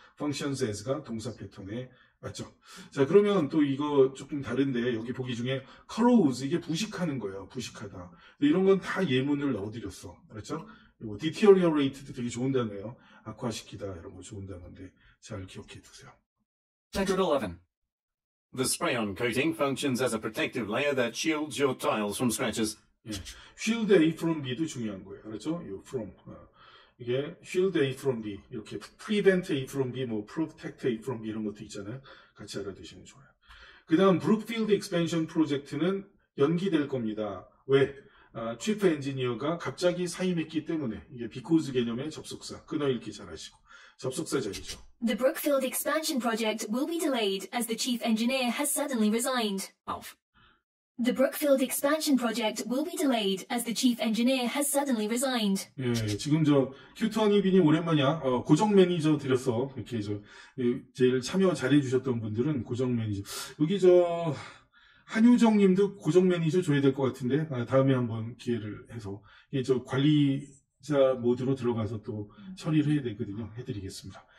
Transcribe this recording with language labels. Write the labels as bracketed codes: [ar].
[ko] functions as가 동사 패턴에 맞죠. 자, 그러면 또 이거 조금 다른데, 여기 보기 중에 corrodes, 이게 부식하는 거예요. 부식하다. 이런 건 다 예문을 넣어드렸어. 그렇죠? 그리고 deteriorate도 되게 좋은 단어예요. 악화시키다, 이런 거 좋은 단어인데 잘 기억해 두세요. [en] Chapter 11. The spray-on coating functions as a protective layer that shields your tiles from scratches. [ko] 예. shield A from B도 중요한 거예요. 그렇죠? 이 from. 이게 shield A from B, 이렇게 prevent A from B, 뭐 protect A from B 이런 것도 있잖아요. 같이 알아두시면 좋아요. 그 다음 Brookfield Expansion Project는 연기될 겁니다. 왜? Chief Engineer가 갑자기 사임했기 때문에. 이게 because 개념의 접속사, 끊어읽기 잘하시고. 접속사 자리죠. [en] The Brookfield Expansion Project will be delayed as the Chief Engineer has suddenly resigned. The Brookfield Expansion Project will be delayed as the Chief Engineer has suddenly resigned. [ko] 예, 지금 저 큐터니비님 오랜만이야. 고정 매니저 드렸어. 이렇게 저 제일 참여 잘해주셨던 분들은 고정 매니저. 여기 저 한효정님도 고정 매니저 줘야 될 것 같은데, 다음에 한번 기회를 해서 이게 저 관리자 모드로 들어가서 또 처리를 해야 되거든요. 해드리겠습니다.